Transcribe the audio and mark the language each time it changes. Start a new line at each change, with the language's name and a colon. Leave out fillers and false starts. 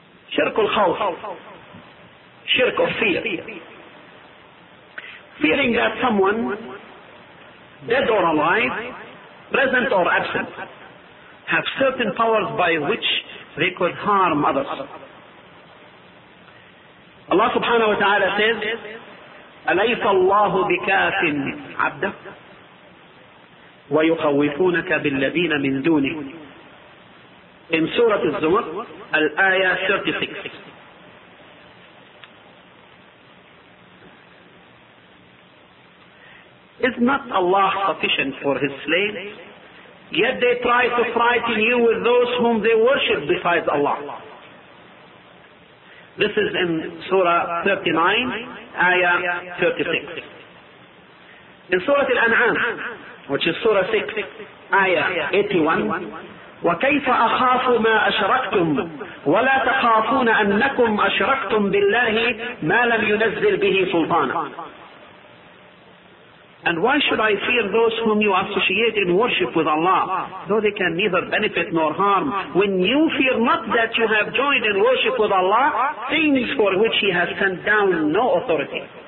English: Shirk al-Khawf, shirk of fear. Fearing that someone, dead or alive, present or absent, have certain powers by which they could harm others.
Arabic: Allah subhanahu wa ta'ala says, أَلَيْسَ اللَّهُ بِكَافٍ عَبْدَهُ وَيُخَوِّفُونَكَ بِالَّذِينَ مِنْ دُونِهِ.
English: In Surah Az-Zumar, Al-Ayah 36. Is not Allah sufficient for His slaves? Yet they try to frighten you with those whom they worship besides Allah. This is in Surah 39, Ayah 36. In Surah Al-An'am, which is Surah 6, Ayah 81,
Arabic: وَكَيْفَ أَخَافُ مَا أَشْرَكْتُمْ وَلَا تَخَافُونَ أَنَّكُمْ أَشْرَكْتُمْ بِاللَّهِ مَا لَمْ يُنَزِّلْ بِهِ سُلْطَانًا.
English: And why should I fear those whom you associate in worship with Allah, though they can neither benefit nor harm, when you fear not that you have joined in worship with Allah things for which He has sent down no authority?